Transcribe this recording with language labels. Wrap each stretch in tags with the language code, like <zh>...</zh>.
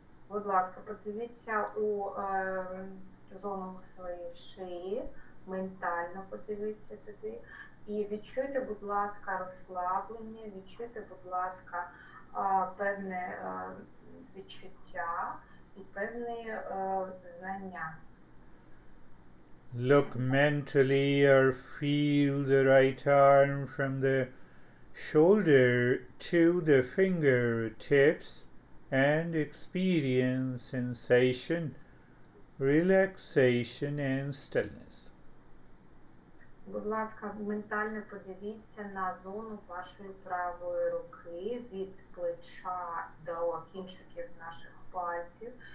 <uk>Будь ласка, подивіться у зону своєї шиї, ментально подивіться туди і відчуйте, будь ласка, розслаблення, відчуйте, будь ласка, певне відчуття і певне знання.</uk> <en>Look mentally or feel the right arm from the shoulder to the fingertips and experience sensation, relaxation and stillness.</en> <uk>Будь ласка, ментально подивіться на зону вашої правої руки від плеча до кінчиків наших пальців.</uk>